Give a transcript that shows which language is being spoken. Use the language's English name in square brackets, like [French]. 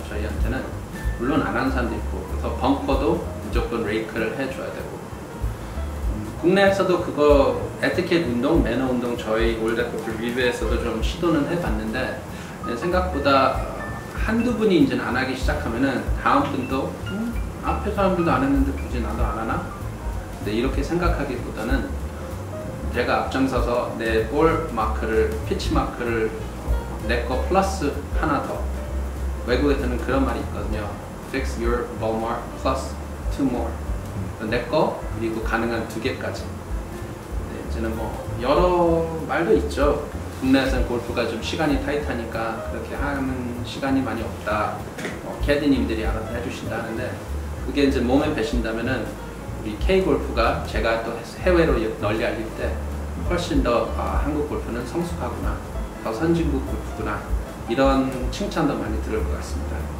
[Korean] 저희한테는 물론 안 하는 사람도 있고, 그래서 벙커도 무조건 레이크를 해줘야 되고, 국내에서도 그거 에티켓 운동, 매너 운동 저희 올댓골프 리뷰에서도 좀 시도는 해봤는데 생각보다 한두 분이 이제 안 하기 시작하면은 다음 분도 앞에 사람들도 안 했는데 굳이 나도 안 하나? 근데 이렇게 생각하기보다는 내가 앞장서서 내 볼 마크를, 피치 마크를 내 거 플러스 하나 더, 외국에서는 그런 말이 있거든요. [English] Fix your ball mark plus two more. [Korean] 내 거 그리고 가능한 두 개까지. 네, 이제는 뭐 여러 말도 있죠. 국내에서는 골프가 좀 시간이 타이트하니까 그렇게 하는 시간이 많이 없다. 뭐 캐디님들이 알아서 해주신다는데 그게 이제 몸에 배신다면은 우리 K골프가 제가 또 해외로 널리 알릴 때 훨씬 더 아, 한국 골프는 성숙하구나, 더 선진국 골프구나 이런 칭찬도 많이 들을 것 같습니다.